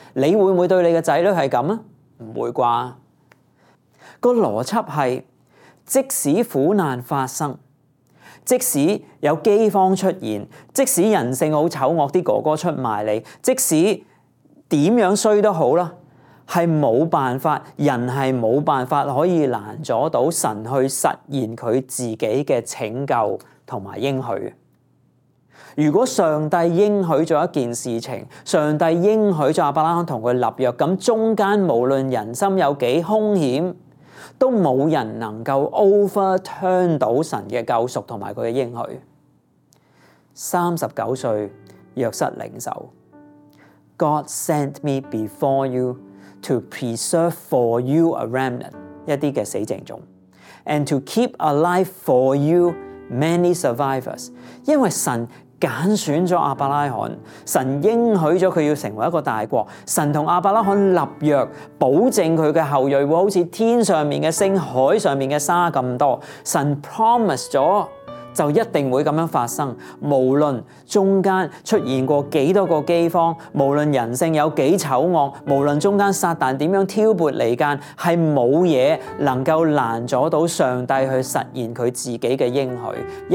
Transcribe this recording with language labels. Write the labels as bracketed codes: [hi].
[yue] 你会不会对你的仔女是这样啊？不会吧。个逻辑是，即使苦难发生，即使有饥荒出现，即使人性好丑恶的哥哥出卖你，即使怎样衰都好，是没有办法，人是没有办法可以拦阻到神去实现他自己的拯救和应许。如果上帝应许了一件事情，上帝应许了亚伯拉罕同他立约，那中间无论人心有几凶险，都没有人能够 overturn 到神的救赎和他的应许。 39岁，约瑟领受 [en] God sent me before you to preserve for you a remnant， [yue] 一些死剩种， [en] and to keep alive for you many survivors。 [yue] 因为神揀选了亚伯拉罕，神应许了他要成为一个大国，神和亚伯拉罕立约，保证他的后裔会好像天上面的星、海上面的沙那么多。神 promise 了就一定会这样发生，无论中间出现过多少个饥荒，无论人性有多丑恶，无论中间撒旦怎样挑拨离间，是没有东西能够拦阻到上帝去实现他自己的应许。